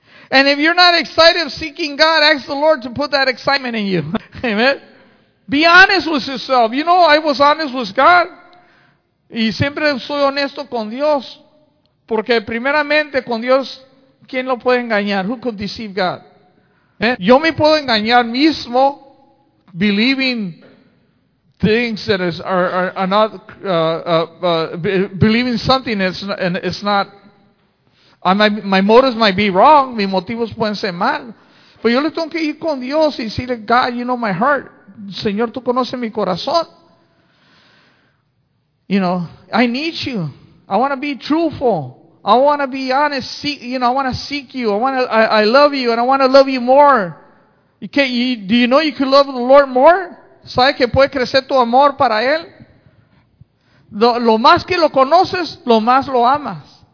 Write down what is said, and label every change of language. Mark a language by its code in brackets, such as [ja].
[en] And if you're not excited seeking God, ask the Lord to put that excitement in you. Amen. Be honest with yourself. You know, I was honest with God. [es] Y siempre soy honesto con Dios, porque primeramente con Dios, ¿quién lo puede engañar? [en] Who could deceive God? ¿Eh? [es] Yo me puedo engañar mismo, [en] believing things that believing something and it's not. My motives might be wrong. [es] Mis motivos pueden ser mal, pero yo le tengo que ir con Dios y decirle, [en] God, you know my heart. [es] Señor, tú conoces mi corazón. [en] You know, I need you. I want to be truthful. I want to be honest. I want to seek you. I love you, and I want to love you more. Do you know you can love the Lord more? [es] ¿Sabes que puede crecer tu amor para él? Lo más que lo conoces, lo más lo amas.